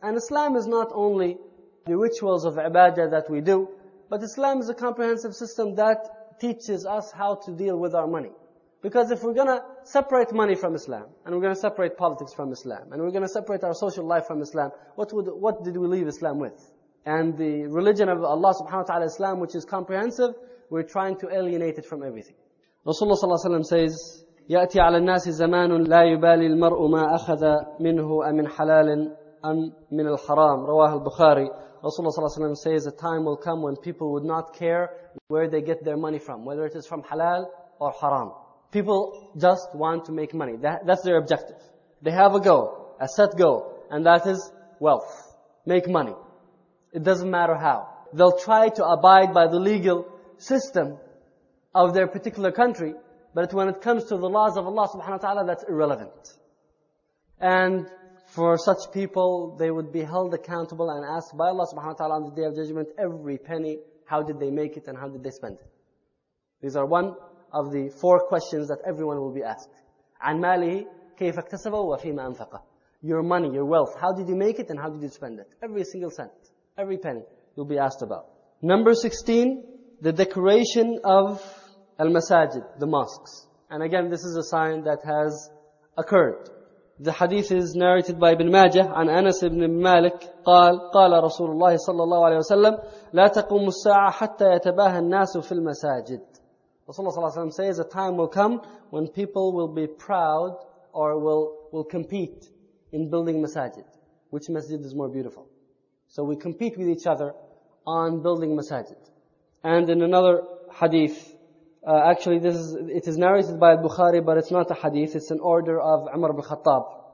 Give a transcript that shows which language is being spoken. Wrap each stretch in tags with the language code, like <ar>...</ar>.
<en>And Islam is not only the rituals of ibadah that we do, but Islam is a comprehensive system that teaches us how to deal with our money. Because if we're going to separate money from Islam, and we're going to separate politics from Islam, and we're going to separate our social life from Islam, what did we leave Islam with? and the religion of Allah subhanahu wa ta'ala Islam, which is comprehensive, we're trying to alienate it from everything. Rasulullah sallallahu alayhi wa sallam says,</en> <ar>يأتي على الناس زمان لا يبالي المرء ما أخذ منه أمن حلال أم من الحرام رواه البخاري.</ar> <en>Rasulullah sallallahu alayhi wa sallam says, a time will come when people would not care where they get their money from, whether it is from halal or haram. People just want to make money. That's their objective. They have a goal, a set goal, and that is wealth. Make money. It doesn't matter how. They'll try to abide by the legal system of their particular country, but when it comes to the laws of Allah subhanahu wa ta'ala, that's irrelevant. And for such people, they would be held accountable and asked by Allah subhanahu wa ta'ala on the Day of Judgment, every penny, how did they make it and how did they spend it? These are one of the four questions that everyone will be asked.</en> <ar>عَنْ مَالِهِ كَيْفَ اكْتَسَبَهُ وَفِيمَ أَنْفَقَهُ.</ar> <en>Your money, your wealth, how did you make it and how did you spend it? Every single cent, every penny, you'll be asked about. Number 16, the decoration of al-masajid, the mosques. And again, this is a sign that has occurred. The hadith is narrated by Ibn Majah,</en> <ar>عن أنس بن مالك قال قال رسول الله صلى الله عليه وسلم لا تقوم الساعة حتى يتباهى الناس في المساجد.</ar> <en>Rasulullah</en> <ar>صلى الله عليه وسلم</ar> <en>says, a time will come when people will be proud or will compete in building masajid. Which masjid is more beautiful? So we compete with each other on building masajid. And in another hadith, it is narrated by al-Bukhari, but it's not a hadith, it's an order of Umar ibn Khattab.</en>